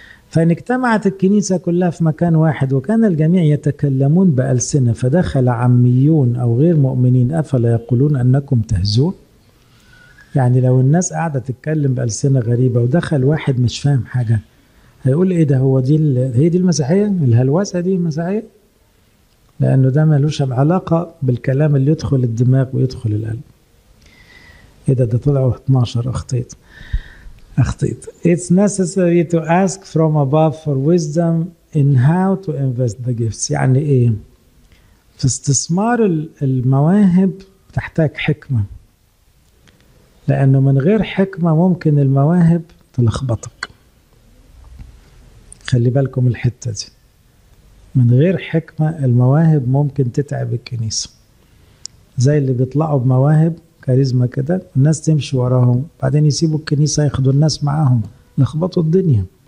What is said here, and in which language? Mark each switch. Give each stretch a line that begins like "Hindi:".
Arabic: فإن اجتمعت الكنيسة كلها في مكان واحد وكان الجميع يتكلمون بألسنة، فدخل عميون أو غير مؤمنين أفلا يقولون أنكم تهزون؟ يعني لو الناس قاعدة تتكلم بألسنة غريبة ودخل واحد مش فاهم حاجة، هيقول ايه ده، هو دي هي دي المسيحيه، الهلوسه دي المسيحيه؟ لانه ده ملوش علاقه بالكلام اللي يدخل الدماغ ويدخل القلب. ايه ده طلعوا 12، اخطيت.
English: It's necessary to ask from above for wisdom in how to invest the gifts.
Arabic: يعني ايه؟ في استثمار المواهب تحتاج حكمه، لانه من غير حكمه ممكن المواهب تلخبطك. خلي بالكم الحتة دي، من غير حكمة المواهب ممكن تتعب الكنيسة، زي اللي بيطلعوا بمواهب كاريزما كده الناس تمشي وراهم، بعدين يسيبوا الكنيسة ياخدوا الناس معاهم، لخبطوا الدنيا.